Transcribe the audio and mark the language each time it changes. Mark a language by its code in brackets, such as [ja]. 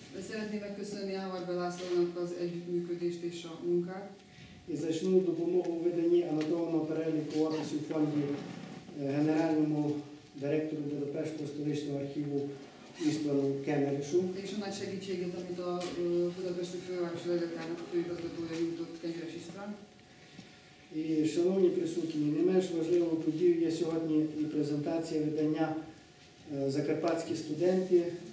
[hu] Szeretném megköszönni Аварго Ласлонок az együttműködést és a munkát. [uk] І зачну допомогу у виданні анотованого переліку опису фонді генеральному директору Будапештського столичного архіву Іствану Кемерішу. [hu] És a nagy segítséget, amit a Budapesti Fővárosi Levéltárnak a főigazgatója nyújtott Kemeris István. [uk] І, шановні присутні, не менш важливою подією є сьогодні і презентація видання «Закарпатські студенти».